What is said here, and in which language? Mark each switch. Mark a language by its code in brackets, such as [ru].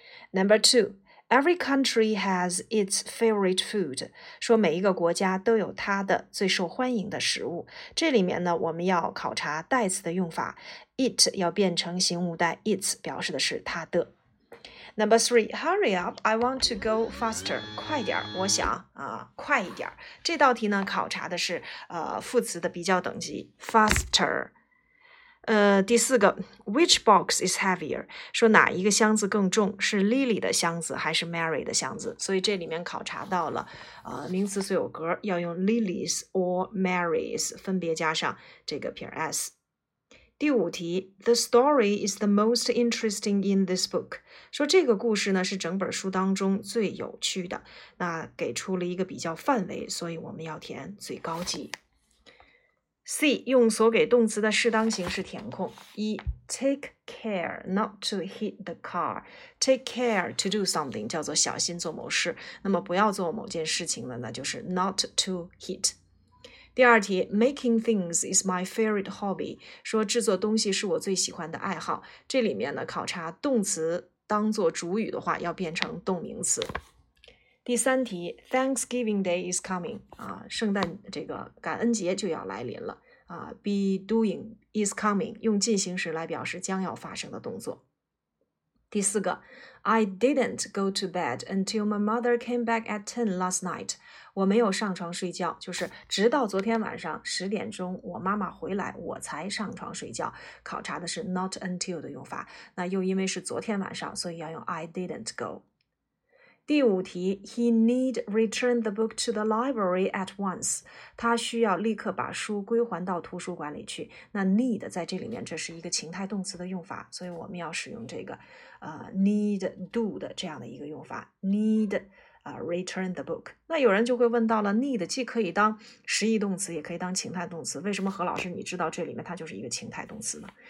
[en] number two every country has its favorite food [zh] 说每一个国家都有它的最受欢迎的食物这里面呢我们要考察代词的用法 it 要变成形物代 its 表示的是它的 [en] Number three, hurry up, I want to go faster. [zh] 快点儿，我想啊，快一点儿。这道题呢，考察的是副词的比较等级 faster。第四个 [en] ，which box is heavier? [zh] 说哪一个箱子更重，是 Lily 的箱子还是 Mary 的箱子？所以这里面考察到了名词所有格要用 Lily's or Mary's 分别加上这个撇 s。第五题 [en] ,The story is the most interesting in this book. [zh] 说这个故事呢是整本书当中最有趣的。那给出了一个比较范围所以我们要填最高级。 C, 用所给动词的适当形式填空。一 [en] ,take care not to hit the car. Take care to do something, [zh] 叫做小心做某事。那么不要做某件事情了那就是 not to hit. 第二题 , [en] making things is my favorite hobby, [zh] 说制作东西是我最喜欢的爱好。这里面呢考察动词当作主语的话要变成动名词。第三题 , [en] Thanksgiving Day is coming, [zh] 啊圣诞这个感恩节就要来临了。啊 , [en] be doing is coming, [zh] 用进行时来表示将要发生的动作。D, 第四个 [en] I didn't go to bed until my mother came back at 10 last night. [zh] 我没有上床睡觉，就是直到昨天晚上十点钟我妈妈回来我才上床睡觉。考察的是 not until 的用法，那又因为是昨天晚上，所以要用 I didn't go。第五题 [en] ,He need return the book to the library at once. [zh] 他需要立刻把书归还到图书馆里去。那 need 在这里面这是一个情态动词的用法，所以我们要使用这个need do 的这样的一个用法。 [en] need return the book. [zh] 那有人就会问到了 need 既可以当实义动词也可以当情态动词，为什么何老师你知道这里面它就是一个情态动词呢？